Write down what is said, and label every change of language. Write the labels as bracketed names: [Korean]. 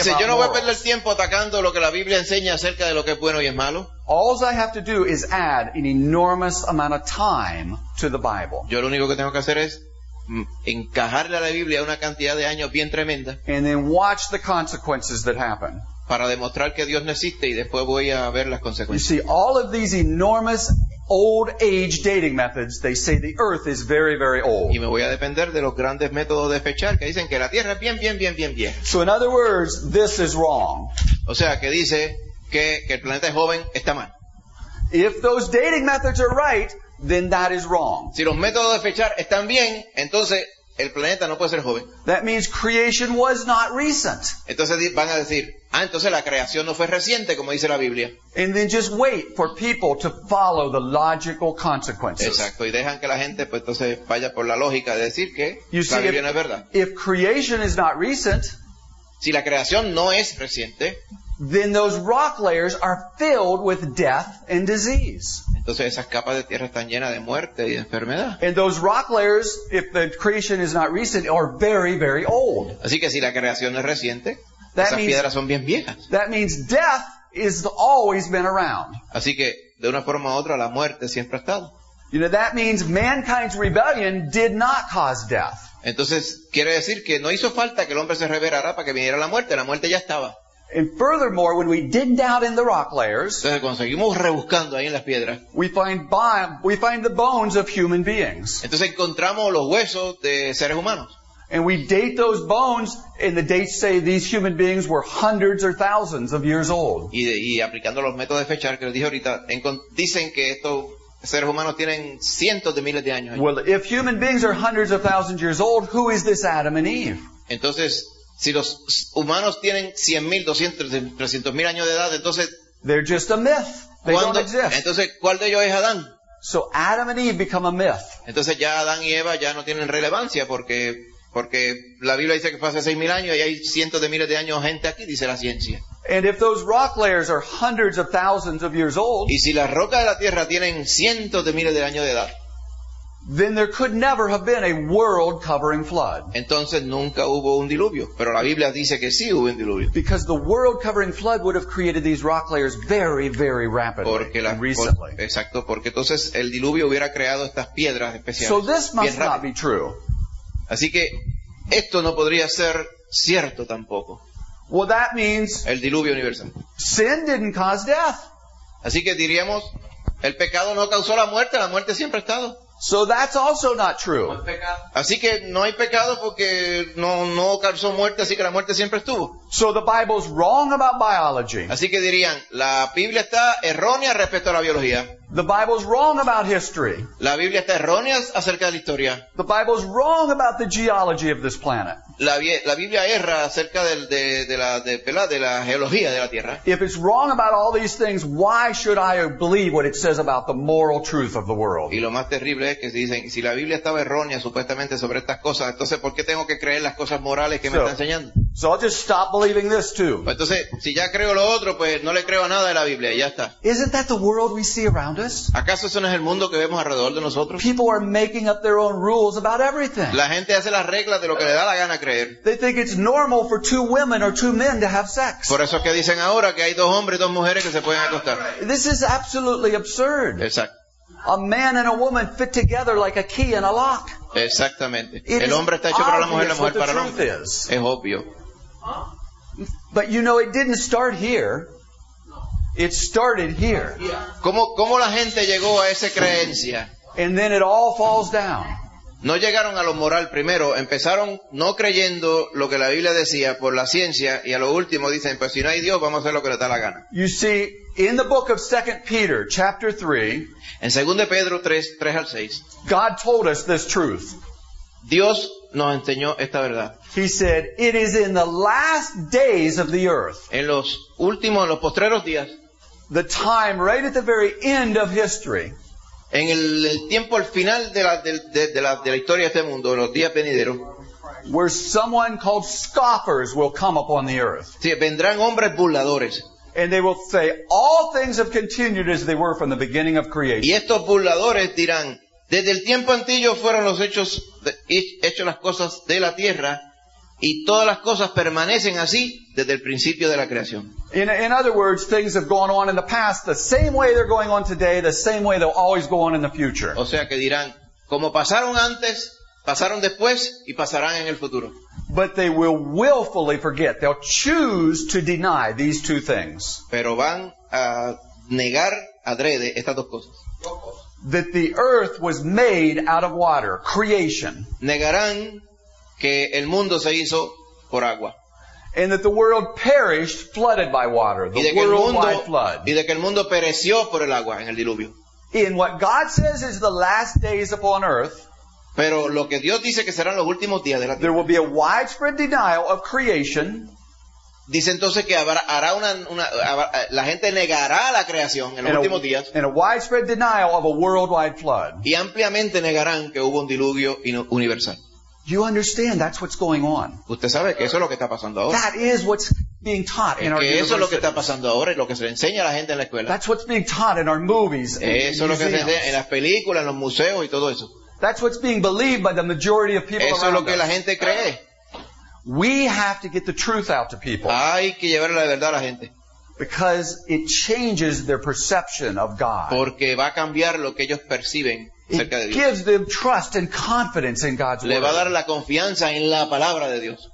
[English] about [Spanish] Dice, yo no voy a perder tiempo atacando lo que la Biblia enseña acerca de lo que es bueno y es malo. [English] All I have to do is add an enormous amount of time to the Bible. [Spanish] Yo lo único que tengo que hacer es encajarle a la Biblia una cantidad de años bien tremenda. [English] And then watch the consequences that happen. [Spanish] Para demostrar que Dios no existe y después voy a ver las consecuencias. [English] You see, all of these enormous old age dating methods, they say the earth is very, very old. [Spanish] Y me voy a depender de los grandes métodos de fechar que dicen que la Tierra es bien, bien, bien, bien, bien. [English] So in other words, this is wrong. [Spanish] O sea, que dice que el planeta es joven, está mal. [English] If those dating methods are right, then that is wrong. [Spanish] Si los métodos de fechar están bien, entonces el planeta no puede ser joven. [English] That means creation was not recent. [Spanish] Entonces van a decir, ah, entonces la creación no fue reciente, como dice la Biblia. [English] And then just wait for people to follow the logical consequences. [Spanish] Exacto, y dejan que la gente pues entonces vaya por la lógica de decir que [English] you [Spanish] la [English] see, [Spanish] Biblia no es verdad. [English] If creation is not recent, [Spanish] si la creación no es reciente, [English] then those rock layers are filled with death and disease. [Spanish] Entonces esas capas de tierra están llenas de muerte y de enfermedad. [English] And those rock layers, if the creation is not recent, are very, very old. [Spanish] Así que si la creación no es reciente, [English] that [Spanish] esas [English] means, [Spanish] piedras son bien viejas. [English] That means death has always been around. [Spanish] Así que de una forma u otra la muerte siempre ha estado. [English] You know, that means mankind's rebellion did not cause death. [Spanish] Entonces quiere decir que no hizo falta que el hombre se rebelara para que viniera la muerte ya estaba. [English] And furthermore, when we dig down in the rock layers, [Spanish] entonces, cuando seguimos rebuscando ahí en las piedras, [English] we find the bones of human beings. [Spanish] Entonces encontramos los huesos de seres humanos. [English] And we date those bones, and the dates say these human beings were hundreds or thousands of years old. [Spanish] Y aplicando los métodos de fechar que les dije ahorita, dicen que estos seres humanos tienen cientos de miles de años. [English] Well, if human beings are hundreds of thousands of years old, who is this Adam and Eve? [Spanish] Entonces, si los humanos tienen 100.000, 200.000, 300.000 años de edad, entonces... [English] They're just a myth. They don't exist. [Spanish] Entonces, ¿cuál de ellos es Adán? [English] So Adam and Eve become a myth. [Spanish] Entonces ya Adán y Eva ya no tienen relevancia porque la Biblia dice que fue hace 6.000 años y hay cientos de miles de años gente aquí, dice la ciencia. [English] And if those rock layers are hundreds of thousands of years old... [Spanish] Y si las rocas de la Tierra tienen cientos de miles de años de edad... [English] Then there could never have been a world-covering flood. [Spanish] Entonces nunca hubo un diluvio, pero la Biblia dice que sí hubo un diluvio. [English] Because the world-covering flood would have created these rock layers very, very rapidly. [Spanish] Porque la, [English] and recently. [Spanish] Exacto, porque entonces el diluvio hubiera creado estas piedras especiales. [English] So this must not be true. [Spanish] Así que esto no podría ser cierto tampoco. [English] Well, that means [Spanish] el diluvio universal. [English] Sin didn't cause death. [Spanish] Así que diríamos el pecado no causó la muerte siempre ha estado. [English] So that's also not true. [Spanish] Así que no hay pecado porque no causó muerte, así que la muerte siempre estuvo. [English] So the Bible's wrong about biology. [Spanish] Así que dirían, la Biblia está errónea respecto a la biología. [English] The Bible's wrong about history. [Spanish] La Biblia está errónea acerca de la historia. [English] The Bible's wrong about the geology of this planet. [Spanish] La Biblia erra acerca de la geología de la Tierra. [English] If it's wrong about all these things, why should I believe what it says about the moral truth of the world? [Spanish] Y lo más terrible es que dicen, si la Biblia estaba errónea supuestamente sobre estas cosas, entonces ¿por qué tengo que creer las cosas morales que me está enseñando? [English] So I'll just stop believing this too. [Spanish] Entonces, si ya creo lo otro, pues no le creo a nada de la Biblia, ya está. [English] Isn't that the world we see around us? [Spanish] ¿Acaso eso no es el mundo que vemos alrededor de nosotros? [English] People are making up their own rules about everything. [Spanish] La gente hace las reglas de lo que le da la gana creer. [English] They think it's normal for two women or two men to have sex. [Spanish] Por eso es que dicen ahora que hay dos hombres y dos mujeres que se pueden acostar. [English] This is absolutely absurd. [Spanish] Exacto. [English] A man and a woman fit together like a key and a lock. [Spanish] Exactamente. El hombre está hecho para la mujer para el hombre. Es obvio. [English] But you know, it didn't start here. It started here. [Spanish] ¿Cómo la gente llegó a esa creencia? [English] And then it all falls down. [Spanish] No llegaron a lo moral primero. Empezaron no creyendo lo que la Biblia decía por la ciencia y a lo último dicen, pues si no hay Dios, vamos a hacer lo que nos da la gana. [English] You see, in the book of 2 Peter, chapter 3, [Spanish] en 2 Pedro 3, 3 al 6, [English] God told us this truth. [Spanish] Dios nos enseñó esta verdad. [English] He said, it is in the last days of the earth. [Spanish] En los últimos, en los postreros días. [English] The time right at the very end of history. [Spanish] En el tiempo al final de la historia de este mundo, los días venideros. [English] Where someone called scoffers will come upon the earth. [Spanish] Sí, vendrán hombres burladores. [English] And they will say, all things have continued as they were from the beginning of creation. [Spanish] Y estos burladores dirán, desde el tiempo antiguo fueron los hechos las cosas de la tierra, y todas las cosas permanecen así desde el principio de la creación. [English] In other words, things have gone on in the past the same way they're going on today, the same way they'll always go on in the future. [Spanish] O sea que dirán, como pasaron antes, pasaron después y pasarán en el futuro. [English] But they will willfully forget. They'll choose to deny these two things. [Spanish] Pero van a negar adrede estas dos cosas. [English] That the earth was made out of water, creation. [Spanish] Negarán que el mundo se hizo por agua. [English] And that the world perished flooded by water, the worldwide flood. [Spanish] Y de que el mundo pereció por el agua en el diluvio. [English] In what God says is the last days upon earth, [Spanish] pero lo que Dios dice que serán los últimos días de la tierra. [English] There will be a widespread denial of creation. [Spanish] Dice entonces que hará la gente negará la creación en los últimos días. [English] And a widespread denial of a worldwide flood. [Spanish] Y ampliamente negarán que hubo un diluvio universal. [English] You understand that's what's going on. [Spanish] Usted sabe que eso es lo que está pasando ahora. [English] That is what's being taught in our universities. [Spanish] Que eso es lo que está pasando ahora y lo que se le enseña a la gente en la escuela. [English] That's what's being taught in our movies. [Spanish] Eso es lo que se enseña en las películas, en los museos y todo eso. [English] That's what's being believed by the majority of people. [Spanish] Eso es lo que la gente cree. [English] We have to get the truth out to people. [Spanish] Hay que llevar la verdad a la gente. [English] Because it changes their perception of God. [Spanish] Porque va a cambiar lo que ellos perciben acerca de Dios. [English] It gives them trust and confidence in God's word. [Spanish] Le va a dar la confianza en la palabra de Dios.